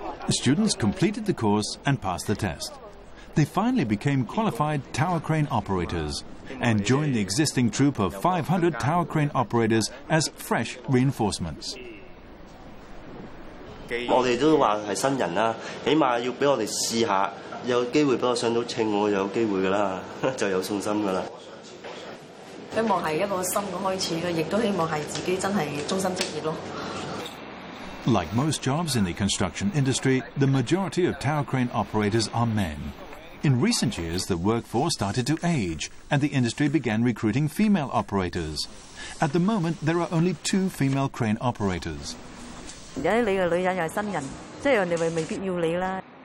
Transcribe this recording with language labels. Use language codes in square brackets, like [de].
[en] Students completed the course and passed the test. They finally became qualified tower crane operators and joined the existing troop of 500 tower crane operators as fresh reinforcements. [yue] 我哋都话系新人啦，起码要俾我哋试下，有机会俾我上到称，我有机会噶啦，就有信心噶啦。希望系一个新嘅开始咯，亦都希望系自己真系终身职业咯。 [en] Like most jobs in the construction industry, the majority of tower crane operators are men. In recent years, the workforce started to age, and the industry began recruiting female operators. At the moment, there are only 2 female crane operators. [yue] 而家你嘅女人又係新人，即係人哋咪未必要你啦。